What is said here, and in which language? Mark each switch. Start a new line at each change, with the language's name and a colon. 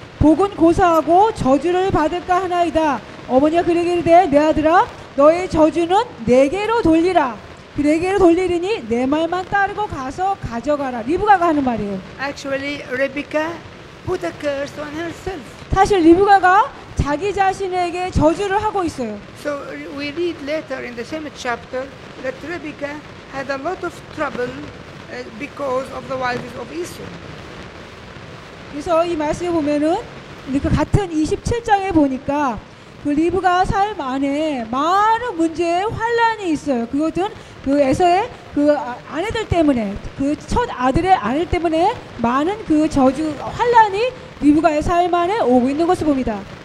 Korean: 복은 고사하고 저주를 받을까 하나이다. 어머니가 그에게 이르되 내 아들아 너의 저주는 내게로 돌리라. 그에게로 돌리리니 내 말만 따르고 가서 가져가라. 리브가가 하는 말이에요.
English: Actually, Rebecca put a curse on herself.
Korean: 사실 리브가가 자기 자신에게 저주를 하고 있어요.
English: So we read later in the same chapter that Rebecca had a lot of trouble because of the wives of Esau.
Korean: 그래서 이 말씀에 보면은 그 같은 27장에 보니까 그 리브가 삶 안에 많은 문제의 환란이 있어요. 그것은 그 에서의 그 아내들 때문에 그 첫 아들의 아내 때문에 많은 그 저주 환란이 리브가의 삶 안에 오고 있는 것을 봅니다.